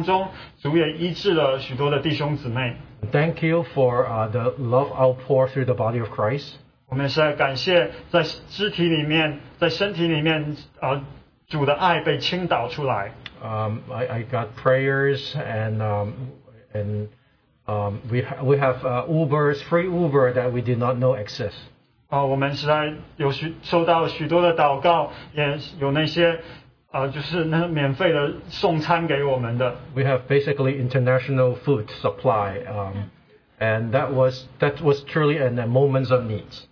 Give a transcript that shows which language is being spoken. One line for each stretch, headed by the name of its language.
Chinese: 我也知道主就是在我们当中主也医治了许多的弟兄姊妹
English: Thank you for the love outpour through the body of Christ.
Chinese: 我们是感谢在肢体里面，在身体里面， 主的爱被倾倒出来。
English: I got prayers and we have Ubers, free Uber that we did not know exist.
Chinese: 我们是在有收到许多的祷告，也有那些。就是那免费的送餐给我们的
English: We have basically international food supply and that was truly in a moment of need